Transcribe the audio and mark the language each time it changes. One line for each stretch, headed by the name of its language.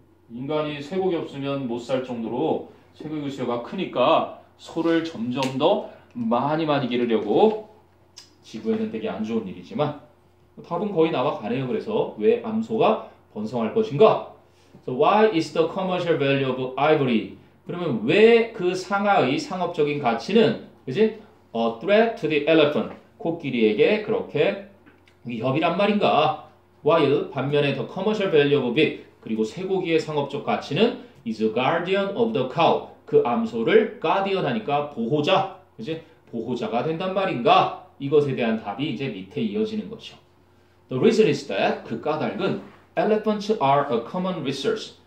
Korean: 인간이 쇠고기 없으면 못 살 정도로 쇠고기 수요가 크니까 소를 점점 더 많이 많이 기르려고 지구에는 되게 안 좋은 일이지만 답은 거의 나와 가네요. 그래서 왜 암소가 번성할 것인가?
English: So why is the commercial value of ivory?
Korean: 그러면 왜 그 상아의 상업적인 가치는 그지?
English: A threat to the elephant.
Korean: 코끼리에게 그렇게 위협이란 말인가?
English: While
Korean: 반면에
English: the commercial value of beef
Korean: 그리고 쇠고기의 상업적 가치는
English: is a guardian of the cow.
Korean: 그 암소를 guardian 하니까 보호자. 그지? 보호자가 된단 말인가? 이것에 대한 답이 이제 밑에 이어지는 거죠.
English: The reason is that
Korean: 그 까닭은
English: elephants are a common resource.